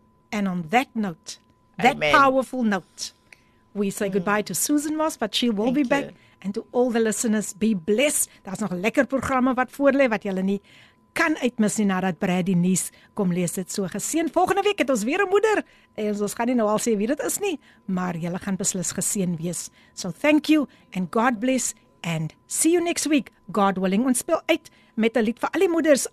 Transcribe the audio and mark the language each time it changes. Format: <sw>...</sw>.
<en>And on that note, that Amen. Powerful note, we say goodbye to Susan Moss, but she will Thank be back. You. And to all the listeners, be blessed.</en> <af>Daar's nog 'n lekker programme wat voorlê wat julle nie kan uitmis nie nadat Brad die nuus kom lees het. So geseën. Volgende week het ons weer 'n moeder. En ons gaan nie nou al sê wie dit is nie, maar julle gaan beslis geseën wees.</af> <en>So thank you and God bless and see you next week. God willing.</en> <af>Ons speel uit met 'n lied vir al die moeders.</af>